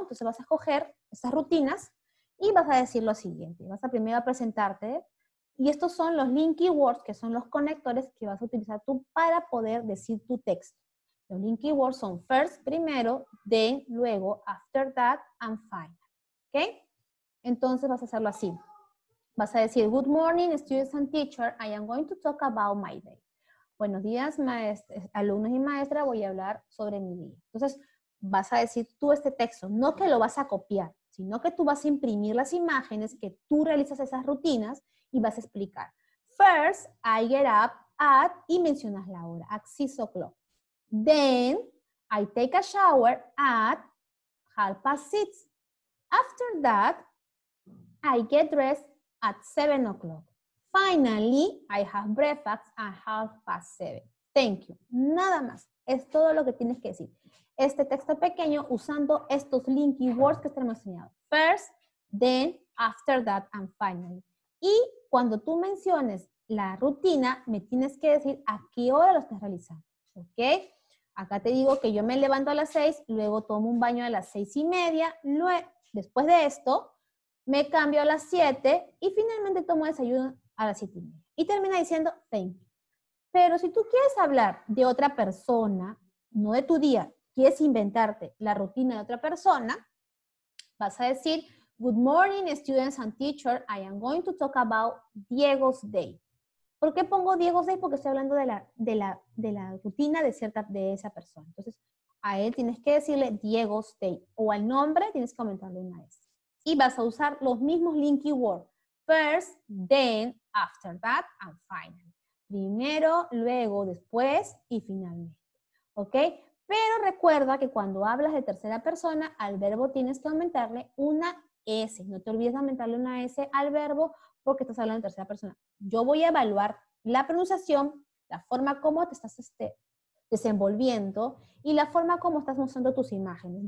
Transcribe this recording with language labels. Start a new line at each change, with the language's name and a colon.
Spanish: Entonces vas a escoger esas rutinas. Y vas a decir lo siguiente, vas a primero a presentarte y estos son los link keywords, que son los conectores que vas a utilizar tú para poder decir tu texto. Los link keywords son
English: first,
Spanish: primero,
English: then,
Spanish: luego,
English: after that, and final.
Spanish: ¿Ok? Entonces vas a hacerlo así. Vas a decir,
English: good morning, students and teacher, I am going to talk about my day.
Spanish: Buenos días, alumnos y maestra, voy a hablar sobre mi día. Entonces vas a decir tú este texto, no que lo vas a copiar, sino que tú vas a imprimir las imágenes que tú realizas esas rutinas y vas a explicar.
English: First, I get up at,
Spanish: y mencionas la hora,
English: at 6 o'clock. Then, I take a shower at 6:30. After that, I get dressed at 7 o'clock. Finally, I have breakfast at 7:30. Thank you.
Spanish: Nada más. Es todo lo que tienes que decir. Este texto pequeño usando estos link keywords que te hemos enseñado.
English: First, then, after that, and finally.
Spanish: Y cuando tú menciones la rutina, me tienes que decir a qué hora lo estás realizando. ¿Ok? Acá te digo que yo me levanto a las 6, luego tomo un baño a las 6:30. Después de esto, me cambio a las 7 y finalmente tomo desayuno a las 7:30. Y termina diciendo
English: thank you.
Spanish: Pero si tú quieres hablar de otra persona, no de tu día, quieres inventarte la rutina de otra persona, vas a decir,
English: good morning, students and teacher, I am going to talk about Diego's day.
Spanish: ¿Por qué pongo Diego's day? Porque estoy hablando de la rutina de cierta, de esa persona. Entonces, a él tienes que decirle Diego's day, o al nombre tienes que comentarle una vez. Y vas a usar los mismos link keywords.
English: First, then, after that, and finally.
Spanish: Primero, luego, después y finalmente. ¿Ok? Pero recuerda que cuando hablas de tercera persona, al verbo tienes que aumentarle una S. No te olvides de aumentarle una S al verbo porque estás hablando de tercera persona. Yo voy a evaluar la pronunciación, la forma como te estás desenvolviendo y la forma como estás mostrando tus imágenes.